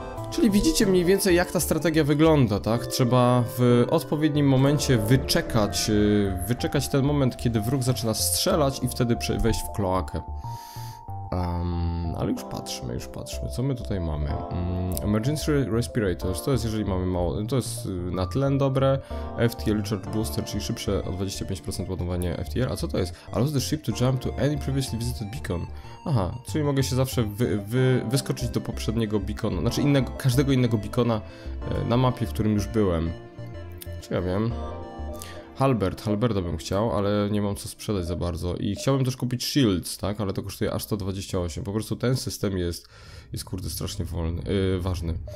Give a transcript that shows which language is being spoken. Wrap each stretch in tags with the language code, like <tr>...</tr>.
<pl>Czyli widzicie mniej więcej, jak ta strategia wygląda, tak? Trzeba w odpowiednim momencie wyczekać ten moment, kiedy wróg zaczyna strzelać i wtedy wejść w kloakę. Ale już patrzmy, co my tutaj mamy. Emergency Respirators, to jest jeżeli mamy mało, to jest na tlen dobre. FTL Charge Booster, czyli szybsze o 25% ładowanie FTL. A co to jest?</pl> <en>Allows the ship to jump to any previously visited beacon.</en> <pl>Aha, czyli mogę się zawsze wyskoczyć do poprzedniego beacona, znaczy innego, każdego innego beacona na mapie, w którym już byłem. Czy ja wiem? Halberda bym chciał, ale nie mam co sprzedać za bardzo. I chciałbym też kupić shields, tak? Ale to kosztuje aż 128. Po prostu ten system jest kurde strasznie wolny, ważny.</pl>